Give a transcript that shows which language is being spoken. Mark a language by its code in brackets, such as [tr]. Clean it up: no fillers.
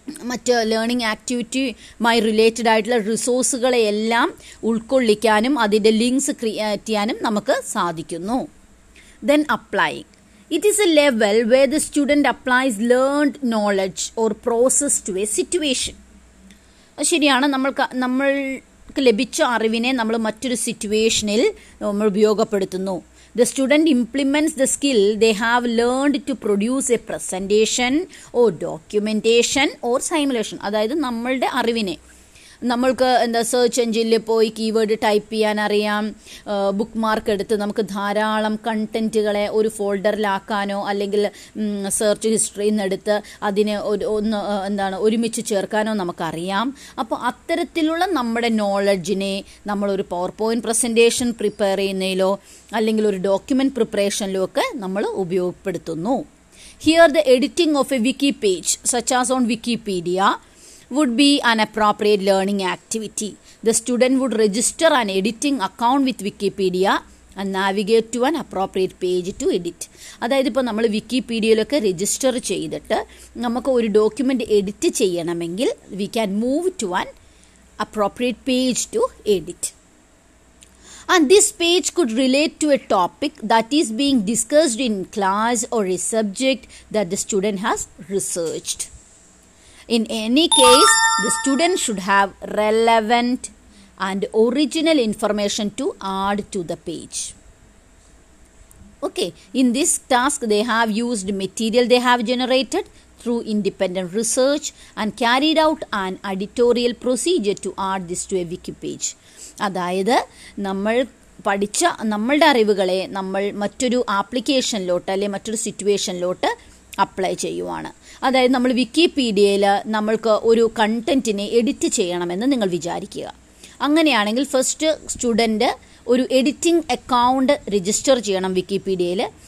[ml] മറ്റ് learning ആക്ടിവിറ്റിയുമായി related ആയിട്ടുള്ള റിസോഴ്സുകളെയെല്ലാം ഉൾക്കൊള്ളിക്കാനും അതിൻ്റെ ലിങ്ക്സ് ക്രിയേറ്റ് ചെയ്യാനും നമുക്ക് സാധിക്കുന്നു. [en] Then applying. It is a level where the student applies learned knowledge or process to a situation. [ml] അത് ശരിയാണ്, നമ്മൾക്ക് ലഭിച്ച അറിവിനെ നമ്മൾ മറ്റൊരു സിറ്റുവേഷനിൽ നമ്മൾ ഉപയോഗപ്പെടുത്തുന്നു. [en] The student implements the skill they have learned to produce a presentation or documentation or simulation. [ml] അതായത് നമ്മളുടെ അറിവിനെ നമ്മൾക്ക് എന്താ സെർച്ച് എൻജിനിൽ പോയി കീവേഡ് ടൈപ്പ് ചെയ്യാൻ അറിയാം, ബുക്ക് മാർക്ക് എടുത്ത് നമുക്ക് ധാരാളം കണ്ടന്റുകളെ ഒരു ഫോൾഡറിലാക്കാനോ അല്ലെങ്കിൽ സെർച്ച് ഹിസ്റ്ററിയിൽ നിന്ന് എടുത്ത് അതിനെ ഒന്ന് എന്താണ് ഒരുമിച്ച് ചേർക്കാനോ നമുക്കറിയാം. അപ്പോൾ അത്തരത്തിലുള്ള നമ്മുടെ നോളജിനെ നമ്മളൊരു പവർ പോയിന്റ് പ്രസൻറ്റേഷൻ പ്രിപ്പയർ ചെയ്യുന്നതിലോ അല്ലെങ്കിൽ ഒരു ഡോക്യുമെൻറ്റ് പ്രിപ്പറേഷനിലോ ഒക്കെ നമ്മൾ ഉപയോഗപ്പെടുത്തുന്നു. [en] Here the editing of a wiki page such as on Wikipedia would be an appropriate learning activity. The student would register an editing account with Wikipedia and navigate to an appropriate page to edit. [ml] അതായത് ഇപ്പോൾ നമ്മൾ വിക്കിപീഡിയയിലൊക്കെ register ചെയ്തിട്ട് നമുക്ക് ഒരു document edit ചെയ്യണമെങ്കിൽ [en] We can move to an appropriate page to edit. And this page could relate to a topic that is being discussed in class or a subject that the student has researched. In any case, the student should have relevant and original information to add to the page. Okay, in this task, they have used material they have generated through independent research and carried out an editorial procedure to add this to a wiki page. [ml] അതായത് നമ്മൾ പഠിച്ച നമ്മളുടെ അറിവുകളെ നമ്മൾ മറ്റൊരു ആപ്ലിക്കേഷനിലോട്ട് അല്ലെങ്കിൽ മറ്റൊരു സിറ്റുവേഷനിലോട്ട് apply ചെയ്യുവാണ്. അതായത് നമ്മൾ വിക്കിപീഡിയയിൽ നമ്മൾക്ക് ഒരു കണ്ടന്റിനെ എഡിറ്റ് ചെയ്യണമെന്ന് നിങ്ങൾ വിചാരിക്കുക. അങ്ങനെയാണെങ്കിൽ ഫസ്റ്റ് സ്റ്റുഡൻ്റ് ഒരു എഡിറ്റിംഗ് അക്കൗണ്ട് രജിസ്റ്റർ ചെയ്യണം വിക്കിപീഡിയയിൽ.